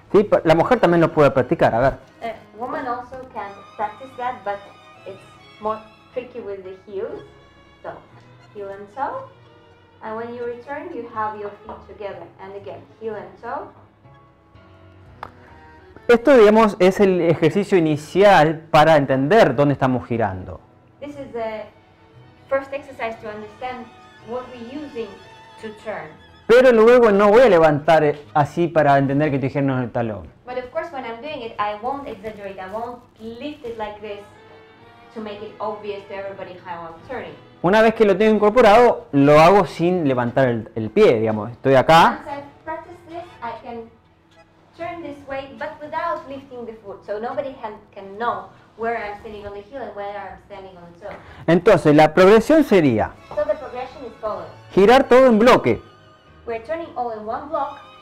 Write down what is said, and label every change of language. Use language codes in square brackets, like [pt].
[es] Sí, la mujer también lo puede practicar, a ver. [en] Woman also can practice that, but it's more tricky with the heels, so heel and toe, and when you return you have your feet together, and again heel and toe. [es] Esto, digamos, es el ejercicio inicial para entender dónde estamos girando. [en] This is the first exercise to understand what we're using to turn. [es] Pero luego no voy a levantar así para entender que te dijeron en el talón. [en] But of course when I'm doing it, I won't exaggerate. I won't lift it like this to make it obvious to everybody how I'm turning. [es] Una vez que lo tengo incorporado, lo hago sin levantar el pie, digamos. Estoy acá. [en] Once I've practiced this, I can turn this way, but without lifting the foot. So nobody can know where I'm standing on the heel and where I'm standing on the toe. [es] Entonces, la progresión sería... [en] So the progression is followed. [es] Girar todo en bloque. [en] We're turning all in one block.